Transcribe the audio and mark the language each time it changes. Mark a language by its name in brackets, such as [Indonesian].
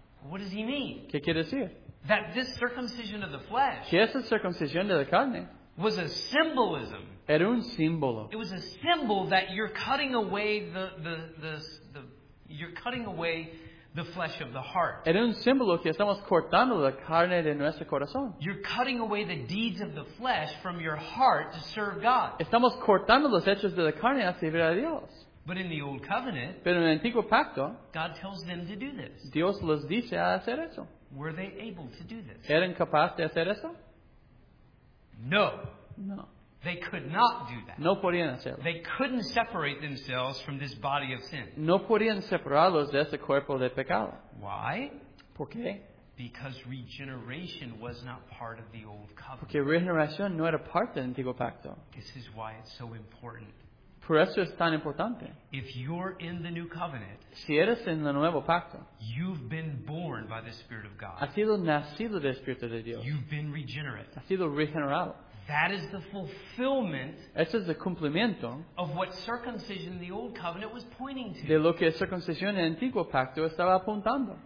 [English] What does he mean? [Spanish] ¿Qué quiere decir? [English] That this circumcision of the flesh. [Spanish] Que esa circuncisión de la carne. [English] Was a symbolism. [Spanish] Era un símbolo. [English] It was a symbol that you're cutting away the you're cutting away the flesh of the heart. [Spanish] Era un símbolo que estamos cortando la carne de nuestro corazón. [English] You're cutting away the deeds of the flesh from your heart to serve God. [Spanish] Estamos cortando los hechos de la carne a servir a Dios. [English] But in the old covenant, [Spanish] pero en el antiguo pacto, [English] God tells them to do this. [Spanish] Dios les dice a hacer eso. [English] Were they able to do this? [Spanish] ¿Eran capaz de hacer eso? [English] No. [Spanish] No. [English] They could not do that. [Spanish] No podían hacerlo. [English] They couldn't separate themselves from this body of sin. [Spanish] No podían separarlos de este cuerpo de pecado. [English] Why? [Spanish] ¿Por qué? [English] Because regeneration was not part of the old covenant. [Spanish] Porque regeneración no era parte del antiguo pacto. [English] This is why it's so important. [Spanish] Por eso es tan importante. [English] If you're in the new covenant, [Spanish] si eres en el nuevo pacto, [English] you've been born by the Spirit of God. [Spanish] Has sido nacido del Espíritu de Dios. [English] You've been regenerate. [Spanish] Has sido regenerado. [English] That is the fulfillment. [Spanish] Este es el cumplimiento [English] of what circumcision in the old covenant was pointing to. [Spanish] De lo que circuncisión en el antiguo pacto estaba apuntando.